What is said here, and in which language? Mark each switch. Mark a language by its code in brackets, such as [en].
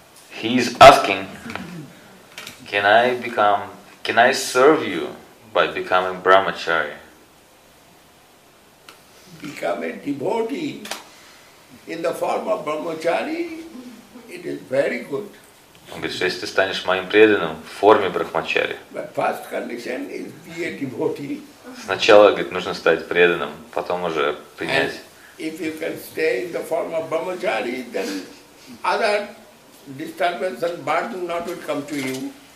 [en] He is asking, can I become... Can I serve you by becoming brahmachari? Become a devotee in the form of brahmachari, it is very good. [ru] Он говорит, что если ты станешь моим преданным в форме брахмачари. [en] But first condition is be a devotee. [ru] Сначала, говорит, нужно стать преданным, потом уже принять. [en] And if you can stay in the form of brahmachari, then other disturbances and burden not will come to you.